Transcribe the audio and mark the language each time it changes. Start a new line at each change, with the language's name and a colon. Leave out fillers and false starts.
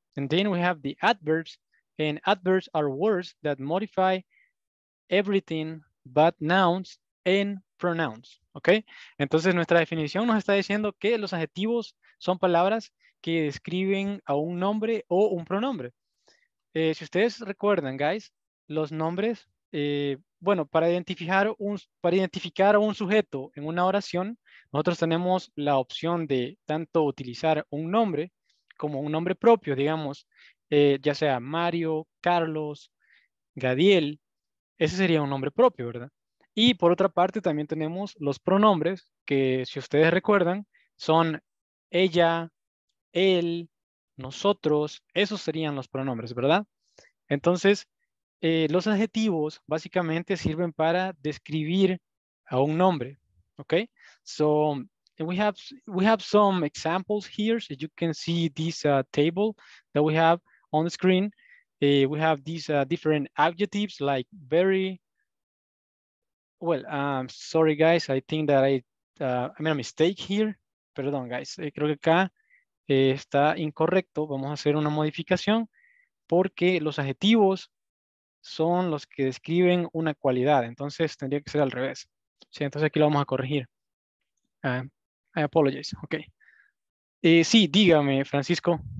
English: And then we have the adverbs, and adverbs are words that modify everything but nouns and pronouns, ¿ok?
Spanish: Entonces nuestra definición nos está diciendo que los adjetivos son palabras que describen a un nombre o un pronombre. Si ustedes recuerdan, guys, los nombres, bueno, para identificar a un sujeto en una oración, nosotros tenemos la opción de tanto utilizar un nombre como un nombre propio, digamos, ya sea Mario, Carlos, Gadiel, ese sería un nombre propio, ¿verdad? Y por otra parte, también tenemos los pronombres, que si ustedes recuerdan, son ella, él, nosotros, esos serían los pronombres, ¿verdad? Entonces, los adjetivos básicamente sirven para describir a un nombre, ¿ok?
English: So, we have some examples here, so you can see this table that we have on the screen. We have these different adjectives like very, well, sorry guys, I think that I made a mistake here.
Spanish: Perdón, guys, creo que acá está incorrecto. Vamos a hacer una modificación porque los adjetivos son los que describen una cualidad. Entonces, tendría que ser al revés. Sí, entonces aquí lo vamos a corregir.
English: I apologize. Okay.
Spanish: Sí, dígame,
English: Francisco.